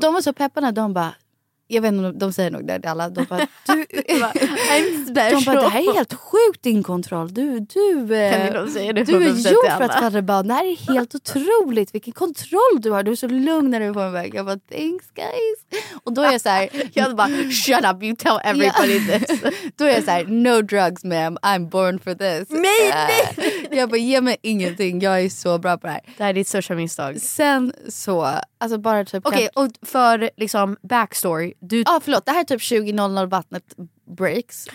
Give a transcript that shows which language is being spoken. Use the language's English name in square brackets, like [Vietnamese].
[Swedish] De var så pepparna. De bara, jag vet inte, de säger nog det till alla. De bara, du [English] I'm special. [Swedish] De bara, det här är helt sjukt din kontroll. Du är gjort för att fadda barn. Det här är helt otroligt. Vilken kontroll du har. Du är så lugn när du är på en väg. Jag bara, [English] thanks guys. [Swedish] Och då är jag så här, jag bara, [English] shut up, you tell everybody this. [Swedish] Då är jag så här, [English] no drugs ma'am, I'm born for this. [Swedish] Nej, jag bara, ge mig ingenting. Jag är så bra på det här. Det här är ditt största misstag. Sen så, alltså bara typ okej, och för liksom backstory. Ja, förlåt, det här är typ 20.00 vattnet [English] breaks.